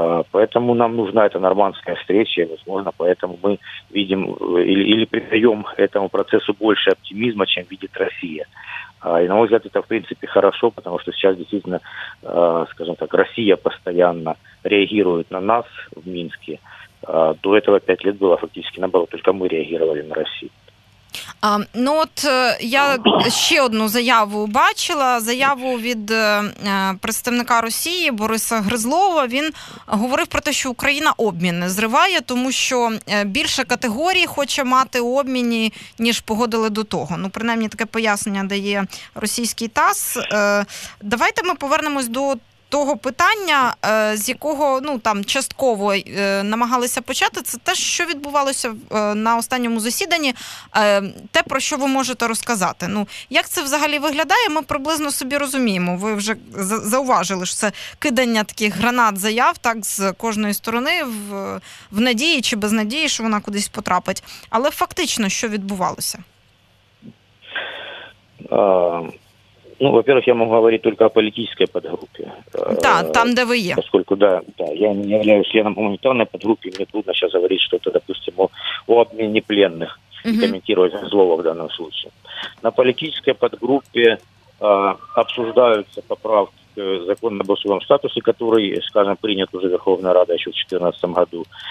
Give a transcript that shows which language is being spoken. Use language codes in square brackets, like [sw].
[ru] Поэтому нам нужна эта нормандская встреча, возможно, поэтому мы видим или придаем этому процессу больше оптимизма, чем видит Россия. И, на мой взгляд, это, в принципе, хорошо, потому что сейчас действительно, скажем так, Россия постоянно реагирует на нас в Минске. До этого 5 лет было фактически наоборот, только мы реагировали на Россию. [uk] Ну от я ще одну заяву бачила, заяву від представника Росії Бориса Гризлова. Він говорив про те, що Україна обмін зриває, тому що більше категорій хоче мати у обміні, ніж погодили до того. Ну, принаймні, таке пояснення дає російський ТАСС. Давайте ми повернемось до того питання, з якого, ну, там, частково намагалися почати, це те, що відбувалося на останньому засіданні, те, про що ви можете розказати. Ну, як це взагалі виглядає, ми приблизно собі розуміємо. Ви вже зауважили, що це кидання таких гранат заяв, так, з кожної сторони, в надії чи без надії, що вона кудись потрапить. Але фактично, що відбувалося? [ru] Ну, во-первых, я могу говорить только о политической подгруппе. Да, там, где вы есть. Поскольку, да, я не являюсь членом гуманитарной подгруппы, мне трудно сейчас говорить что-то, допустим, о обмене пленных, и комментировать слово в данном случае. На политической подгруппе обсуждаются поправки к закону об особом статусе, который, скажем, принят уже Верховной Радой еще в 2014 году.